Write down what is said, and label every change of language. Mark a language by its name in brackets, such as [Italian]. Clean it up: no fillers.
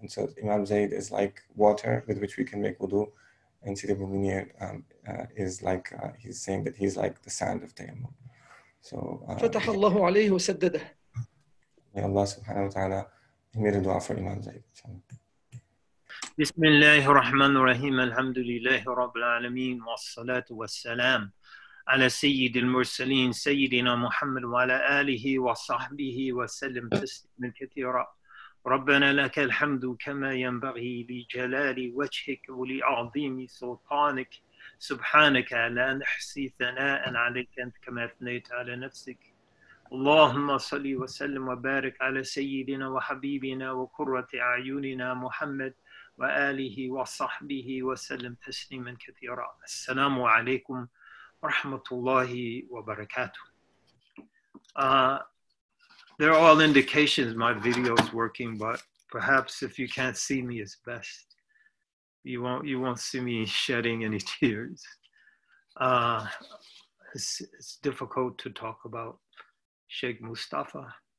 [English] And so Imam Zaid is like water with which we can make wudu, and Sidi Abu Munir is like he's saying that he's like the sand of tayammum. So [Arabic] فتح الله عليه وسدده. [English] May Allah subhanahu wa ta'ala, he made a dua for Imam Zaid. [Arabic] بسم الله الرحمن الرحيم الحمد لله رب العالمين والصلاة والسلام على سيد المرسلين سيدنا محمد وعلى آله وصحبه وسلم تسليما كثيرا ربنا لك الحمد كما ينبغي لجلال وجهك ولعظيم سلطانك سبحانك لا نحصي ثناء عليك أنت كما أثنيت على نفسك اللهم صل وسلم وبارك على سيدنا وحبيبنا وقرة أعيننا محمد وآله وصحبه وسلم تسليما كثيرا السلام عليكم ورحمة الله وبركاته. [English] There are all indications my video is working, but perhaps if you can't see me, it's best. You won't see me shedding any tears. It's difficult to talk about Sheikh Mustafa.